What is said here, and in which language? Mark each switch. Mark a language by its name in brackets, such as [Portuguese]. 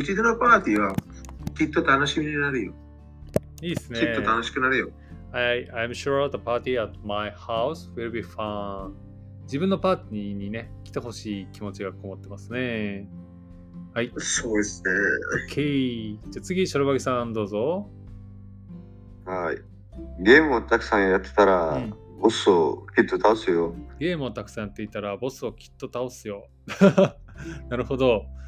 [Japanese] うちでのパーティーは、きっと楽しみになるよ。いいですね。きっと楽しくなるよ。はい。 [English] I'm sure the party at my house will be fun. [Japanese] 自分のパーティーにね、来てほしい気持ちがこもってますね。はい、そうですね。 OK。じゃあ次、シャルバギさん、どうぞ。はい。ゲームをたくさんやってたら、うん、ボスをきっと倒すよ。ゲームをたくさんやっていたら、ボスをきっと倒すよ。なるほど。